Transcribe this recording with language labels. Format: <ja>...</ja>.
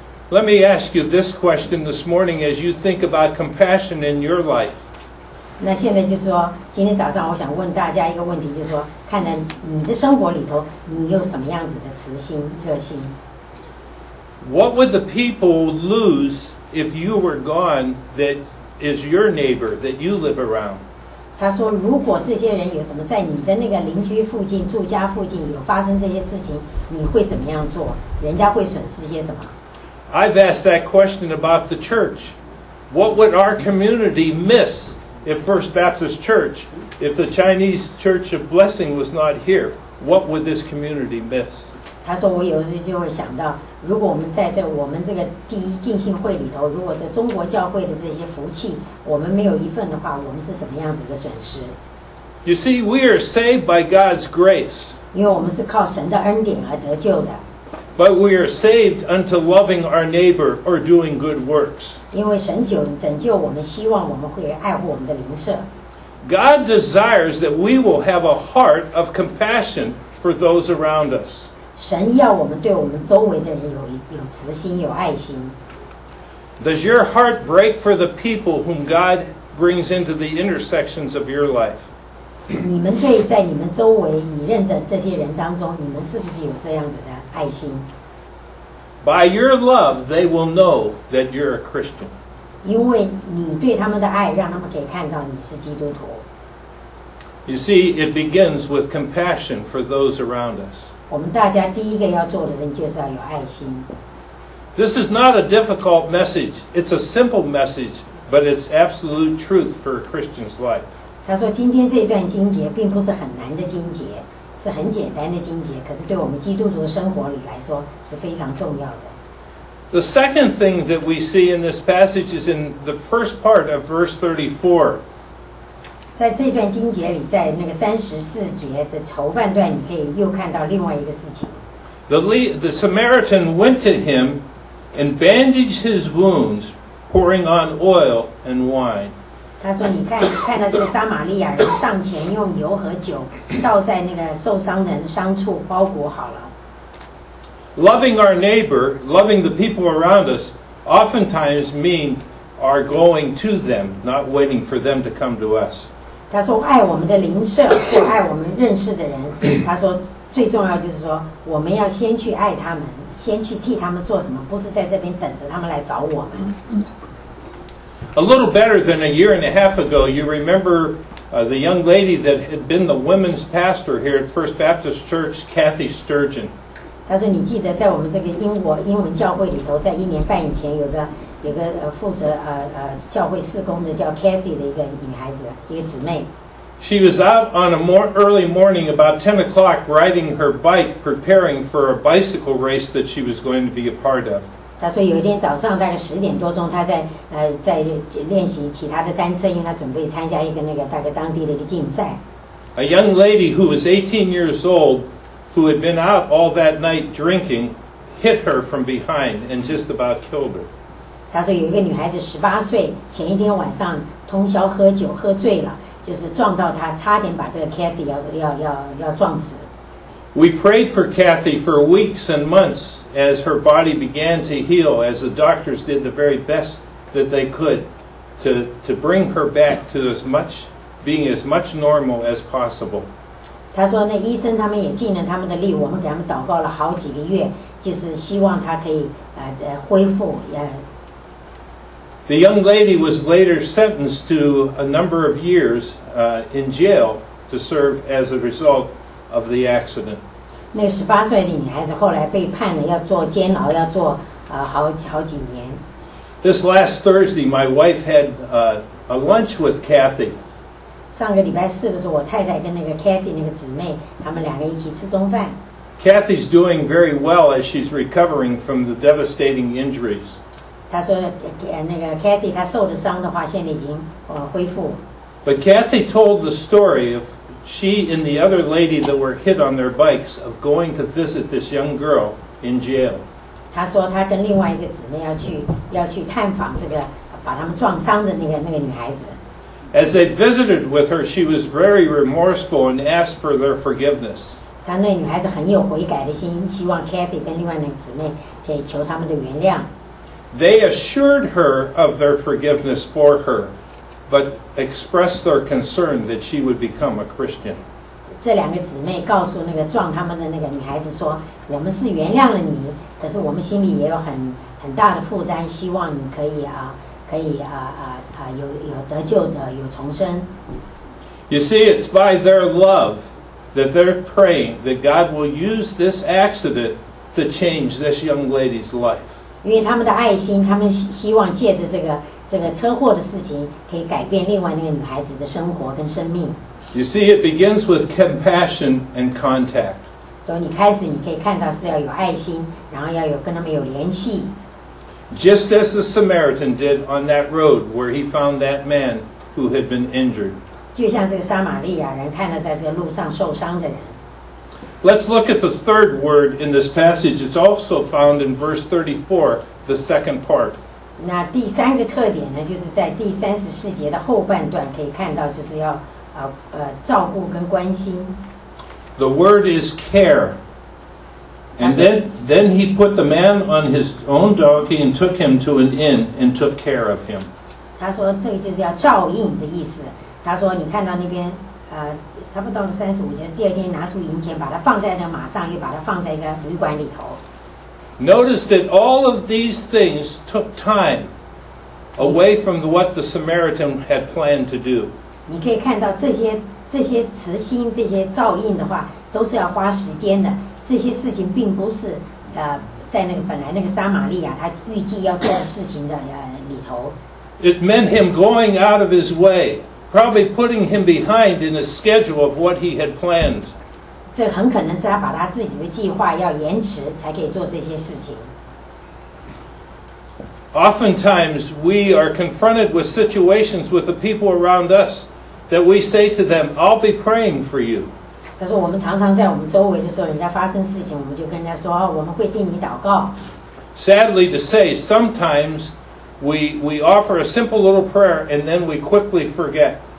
<en>Let me ask you this question this morning as you think about compassion in your life.</en> <zh>那现在就是说，今天早上我想问大家一个问题，就是说，看在你的生活里头，你有什么样子的慈心、热心？</zh> <en>What would the people lose if you were gone that is your neighbor that you live around?</en> <zh>他说，如果这些人有什么在你的那个邻居附近、住家附近有发生这些事情，你会怎么样做？人家会损失些什么？</zh> <en>I've asked that question about the church. What would our community miss if First Baptist Church, if the Chinese Church of Blessing was not here? What would this community miss?</en> <zh>他说我有时就会想到，如果我们在我们这个第一浸信会里头，如果在中国教会的这些福气，我们没有一份的话，我们是什么样子的损失？</zh> <en>You see, we are saved by God's grace.</en> <zh>因为我们是靠神的恩典而得救的。</zh> <en>But we are saved unto loving our neighbor or doing good works.</en> <zh>因为神拯救我们，希望我们会爱护我们的邻舍。</zh> <en>God desires that we will have a heart of compassion for those around us.</en> <zh>神要我们对我们周围的人有慈心，有爱心。</zh> <en>Does your heart break for the people whom God brings into the intersections of your life?</en> <zh>你们对在你们周围你认的这些人当中，你们是不是有这样子的爱心？</zh> <en>By your love, they will know that you're a Christian.</en> <zh>因为你对他们的爱，让他们可以看到你是基督徒。</zh> <en>You see, it begins with compassion for those around us.</en> <zh>我们大家第一个要做的人就是要有爱心。</zh> <en>This is not a difficult message. It's a simple message, but it's absolute truth for a Christian's life.</en> <zh>他说今天这段经节并不是很难的经节，是很简单的经节，可是对我们基督徒的生活里来说是非常重要的。</zh> <en>The second thing that we see in this passage is in the first part of verse 34.</en> <zh>在这段经节里，在那个三十四节的头半段，你可以又看到另外一个事情。</zh> <en>The Samaritan went to him and bandaged his wounds, pouring on oil and wine.</en> <zh>他说你看到这个撒玛利亚人上前用油和酒倒在那个受伤人伤处包裹好了。</zh> <en>Loving our neighbor, loving the people around us, oftentimes mean our going to them, not waiting for them to come to us.</en> <zh>他说爱我们的邻舍或爱我们认识的人，他说最重要就是说我们要先去爱他们，先去替他们做什么，不是在这边等着他们来找我们。</zh> <en>A little better than a year and a half ago, you remember the young lady that had been the women's pastor here at First Baptist Church, Kathy Sturgeon.</en> <zh>她说你记得在我们这个英文教会里头，在一年半以前有个负责教会事工的叫 Kathy 的一个女孩子，一个姊妹。</zh> <en>She was out on a more early morning about 10 o'clock riding her bike preparing for a bicycle race that she was going to be a part of.</en> <zh>她说有一天早上大概十点多钟她在在练习其他的单车，因为她准备参加一个那个大概当地的一个竞赛。</zh> <en>A young lady who was 18 years old who had been out all that night drinking hit her from behind and just about killed her.</en> <zh>她说有一个女孩子18岁，前一天晚上通宵喝酒喝醉了，就是撞到他，差点把这个 Kathy 要撞死。</zh> <en>We prayed for Kathy for weeks and months as her body began to heal, as the doctors did the very best that they could to bring her back to as much being as much normal as possible.</en> <zh>他说那医生他们也尽了他们的力，我们给他们祷告了好几个月，就是希望他可以恢复</zh> <en>The young lady was later sentenced to a number of years in jail to serve as a result of the accident.</en> <zh>那十八岁的女孩子后来被判了要坐监牢，要坐好几年。</zh> <en>This last Thursday, my wife had a lunch with Kathy.</en> <zh>上个礼拜四的时候，我太太跟那个 Kathy 那个姊妹，她们两个一起吃中饭。</zh> <en>Kathy's doing very well as she's recovering from the devastating injuries.</en> <zh>他说那个 Kathy 她受的伤的话现在已经恢复。</zh> <en>But Kathy told the story of she and the other lady that were hit on their bikes of going to visit this young girl in jail.</en> <zh>他说他跟另外一个姊妹要去探访这个把他们撞伤的那个女孩子。</zh> <en>As they visited with her, she was very remorseful and asked for their forgiveness.</en> <zh>他那女孩子很有悔改的心，希望 Kathy 跟另外那个姊妹可以求他们的原谅。</zh> <en>They assured her of their forgiveness for her, but expressed their concern that she would become a Christian.</en> <zh>这两个姊妹告诉那个撞他们的那个女孩子说，我们是原谅了你，可是我们心里也有很大的负担，希望你可以有得救的，有重生。</zh> <en>You see, it's by their love that they're praying that God will use this accident to change this young lady's life.</en> <zh>因为他们的爱心，他们希望借着这个车祸的事情，可以改变另外那个女孩子的生活跟生命。</zh> <en>You see, it begins with compassion and contact.</en> <zh>从你开始，你可以看到是要有爱心，然后要有跟他们有联系。</zh> <en>Just as the Samaritan did on that road where he found that man who had been injured.</en> <zh>就像这个撒玛利亚人看到在这个路上受伤的人。</zh> <en>Let's look at the third word in this passage. It's also found in verse 34, the second part.</en> <zh>那第三个特点呢，就是在第三十四节的后半段可以看到，就是要照顾跟关心。</zh> <en>The word is care. And then he put the man on his own donkey and took him to an inn and took care of him.</en> <zh>他说这个就是要照应的意思。他说你看到那边差不多到了三十五节，第二天拿出银钱把它放在那马上，又把它放在一个旅馆里头。</zh> <en>Notice that all of these things took time away from what the Samaritan had planned to do.</en> <zh>你可以看到这些慈心，这些照应的话，都是要花时间的。这些事情并不是在那个本来那个撒玛利亚他预计要做的事情的里头。</zh> <en>It meant him going out of his way, probably putting him behind in the schedule of what he had planned.</en> <zh>这很可能是他把他自己的计划要延迟才可以做这些事情。</zh> <en>Oftentimes we are confronted with situations with the people around us. That we say to them, I'll be praying for you.</en> <zh>他说我们常常在我们周围的时候，人家发生事情，我们就跟人家说，我们会替你祷告。</zh> <en>Sadly to say, sometimes we offer a simple little prayer and then we quickly forget.</en>